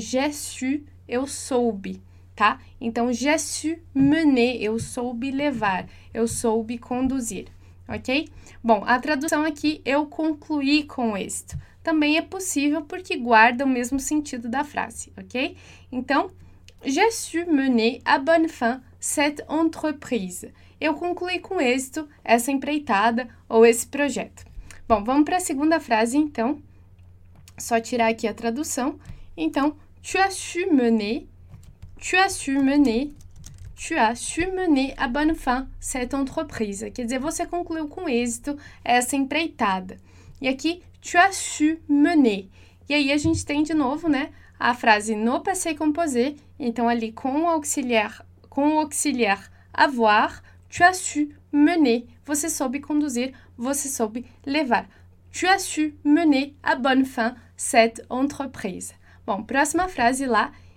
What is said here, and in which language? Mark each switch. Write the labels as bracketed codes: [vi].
[pt] J'ai su, eu soube, tá? Então, [fr] j'ai su mener, [pt] eu soube levar, eu soube conduzir, ok? Bom, a tradução aqui, eu concluí com êxito. Também é possível porque guarda o mesmo sentido da frase, ok? [fr] Então, j'ai su mener à bonne fin cette entreprise. [pt] Eu concluí com êxito essa empreitada ou esse projeto. Bom, vamos para a segunda frase, então. Só tirar aqui a tradução. [fr] Então, tu as su mener à bonne fin cette entreprise. [pt] Quer dizer, você concluiu com êxito essa empreitada. E aqui, [fr] tu as su mener. [pt] E aí, a gente tem de novo, né, a frase no passé composé. Então, ali, com o auxiliar avoir, [fr] tu as su mener. [pt] Você soube conduzir, você soube levar. [fr] Tu as su mener à bonne fin cette entreprise. [pt] Bom, próxima frase lá.